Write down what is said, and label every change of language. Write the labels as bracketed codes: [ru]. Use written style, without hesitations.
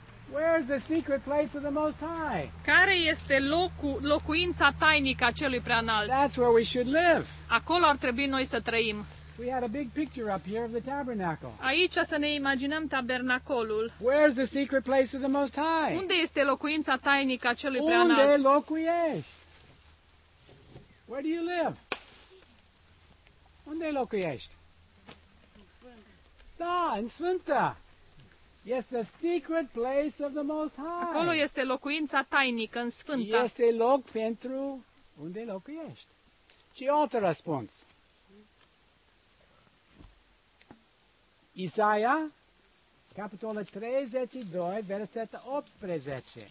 [en] Where's the secret place of the Most High? [ro] Care este locuința tainică a celui preanalt? [en] That's where we should live. [ro] Acolo ar trebui noi să trăim. [en] We had a big picture up here of the tabernacle. [ro] Aici să ne imaginăm tabernacolul. [en] Where's the secret place of the Most High? [ro] Unde este locuința tainică a celui preanalt? Unde locuiești? [en] Where do you live? [ro] Unde locuiești? În Sfânta. Da, în Sfânta. [en] Yes, the secret place of the Most High. [ro] Acolo este locuința tainică în Sfânta. Este loc pentru unde locuiești. Ce altă răspuns? Isaia, capitolul 32, versetul 18.